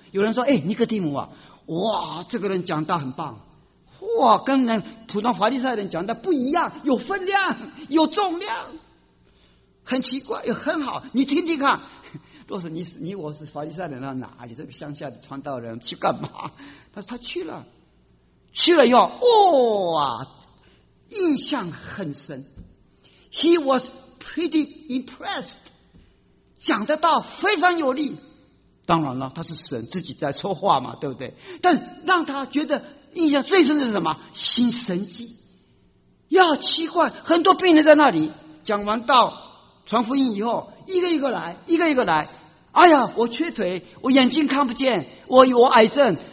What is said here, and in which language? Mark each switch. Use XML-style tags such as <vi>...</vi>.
<zh>有人说：“哎，尼哥底母啊，哇，这个人讲道很棒，哇，跟人普通法利赛人讲的不一样，有分量，有重量，很奇怪，很好，你听听看。” 若是你我是法利赛人，哪里这个乡下的传道人去干嘛？但是他去了，去了以后，哇、哦，印象很深。</zh> <en>He was pretty impressed，</en> <zh>讲的道非常有力。当然了，他是神自己在说话嘛，对不对？但让他觉得印象最深的是什么？行神迹。要奇怪，很多病人在那里讲完道、传福音以后，一个一个来，一个一个来。哎呀，我缺腿，我眼睛看不见，我癌症。</zh>